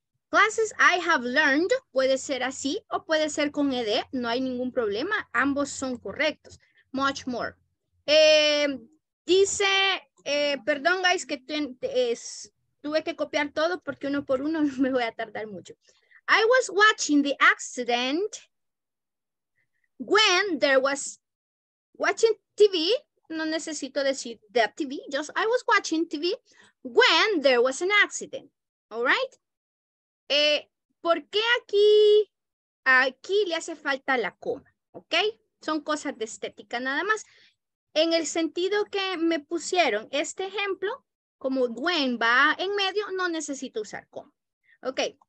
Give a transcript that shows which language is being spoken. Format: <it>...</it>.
<en>Classes I have learned.</en> <es>Puede ser así o puede ser con ED. No hay ningún problema. Ambos son correctos.</es> <en>Much more.</en> <es>Dice Perdón, guys, que tuve que copiar todo porque uno por uno me voy a tardar mucho.</es> <en>I was watching the accident when there was watching TV.</en> <es>No necesito decir</es> <en>the TV, just I was watching TV when there was an accident. All right.</en> <es>¿Por qué aquí le hace falta la coma? Ok. Son cosas de estética nada más. En el sentido que me pusieron este ejemplo, como when va en medio, no necesito usar coma. Ok.</es>